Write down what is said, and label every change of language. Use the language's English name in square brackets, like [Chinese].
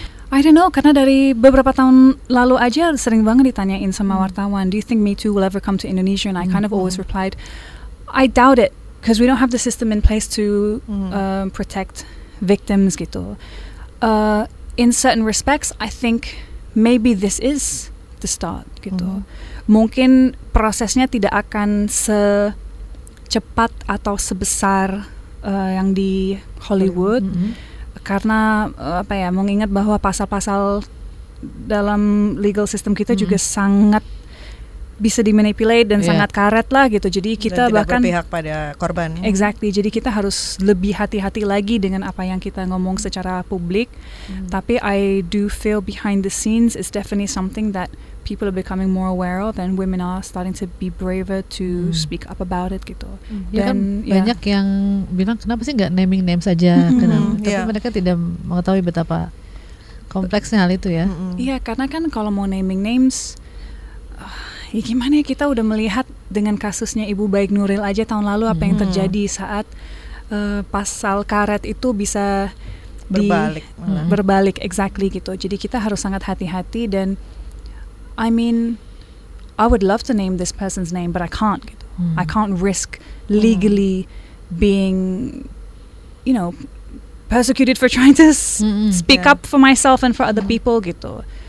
[English] I don't know, [Indonesian] karena dari beberapa tahun lalu aja sering banget ditanyain sama wartawan, [English] do you think Me Too will ever come to Indonesia? And I kind of always replied, I doubt it, because we don't have the system in place to protect victims gitu. In certain respects, I think maybe this is the start gitu. [Indonesian] Mungkin prosesnya tidak akan secepat atau sebesar yang di Hollywood. Karena apa ya, mengingat bahwa pasal-pasal dalam legal system kita juga sangat bisa dimanipulate dan sangat karet lah gitu. Jadi kita dan bahkan tidak berpihak pada korban. [English] Exactly. [Indonesian] Jadi kita harus lebih hati-hati lagi dengan apa yang kita ngomong secara publik. [English] Tapi I do feel behind the scenes is definitely something that people are becoming more aware of and women are starting to be braver to speak up about it gitu. [Indonesian] Dan ya kan, banyak yang bilang kenapa sih enggak [English] naming name [Indonesian] saja kenal. Tapi mereka tidak mengetahui betapa kompleksnya hal itu ya. Iya, karena kan kalau mau [English] naming names [Indonesian] ya gimana ya, kita udah melihat dengan kasusnya Ibu Baik Nuril aja tahun lalu apa yang terjadi saat pasal karet itu bisa berbalik. Berbalik exactly gitu. Jadi kita harus sangat hati-hati. [English] Dan I mean, I would love to name this person's name, but I can't. I can't risk legally being, you know, persecuted for trying to speak up for myself and for other people, gitu.